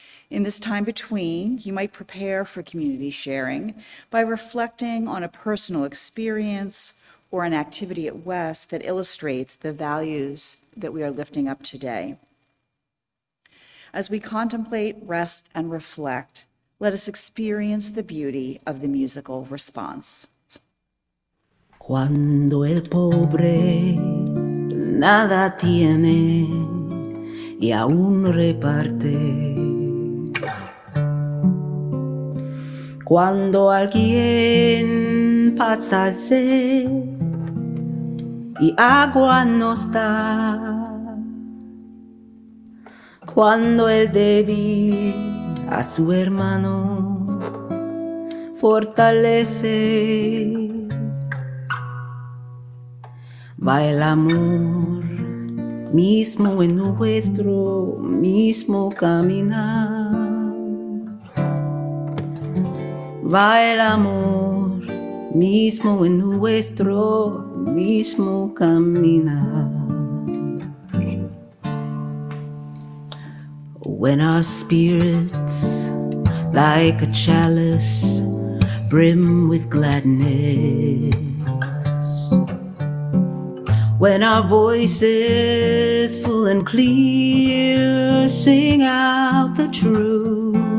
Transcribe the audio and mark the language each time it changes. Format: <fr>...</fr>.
<en>In this time between, you might prepare for community sharing by reflecting on a personal experience or an activity at West that illustrates the values that we are lifting up today. As we contemplate, rest, and reflect, let us experience the beauty of the musical response.</en> <es>Cuando el pobre nada tiene y aún reparte. Cuando alguien pasa sed y agua no está. Cuando el débil a su hermano fortalece. Va el amor mismo en nuestro mismo caminar. Va el amor mismo en nuestro mismo caminar.</es> <en>When our spirits like a chalice brim with gladness. When our voices full and clear sing out the truth.</en>